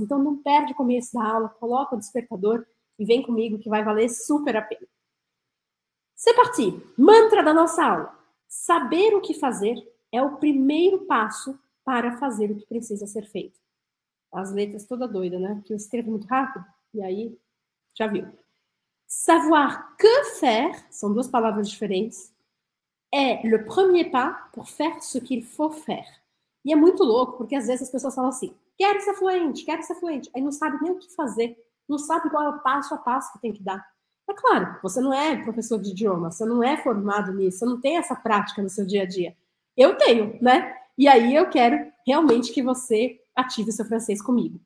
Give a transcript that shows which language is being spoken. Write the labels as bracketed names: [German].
[Portuguese] Então, não perde o começo da aula, coloca o despertador e vem comigo que vai valer super a pena. [French] C'est parti! [Portuguese] Mantra da nossa aula. Saber o que fazer é o primeiro passo para fazer o que precisa ser feito. As letras toda doida, né? Que eu escrevo muito rápido e aí já viu. [French] Savoir que faire, [Portuguese] são duas palavras diferentes, é [French] le premier pas pour faire ce qu'il faut faire. [Portuguese] E é muito louco, porque às vezes as pessoas falam assim: quero ser fluente, quero ser fluente. Aí não sabe nem o que fazer, não sabe qual é o passo a passo que tem que dar. É claro, você não é professor de idioma, você não é formado nisso, você não tem essa prática no seu dia a dia. Eu tenho, né? E aí eu quero realmente que você ative o seu francês comigo.